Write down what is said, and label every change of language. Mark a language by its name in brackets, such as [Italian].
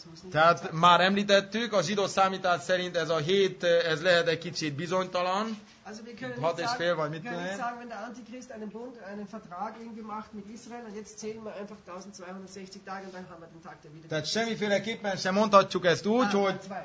[Hungarian] Tehát már említettük, a zsidó számítás szerint ez a hét, ez lehet egy kicsit bizonytalan. Hat és fél, vagy mit lehet? [German] Sagen, wenn der Antichrist einen Bund, einen Vertrag irgendwie macht mit Israel, und jetzt zählen wir einfach 1260 Tage, und dann haben wir den Tag der Wiedergabe. [Hungarian] Tehát semmiféleképpen sem mondhatjuk ezt úgy, hogy...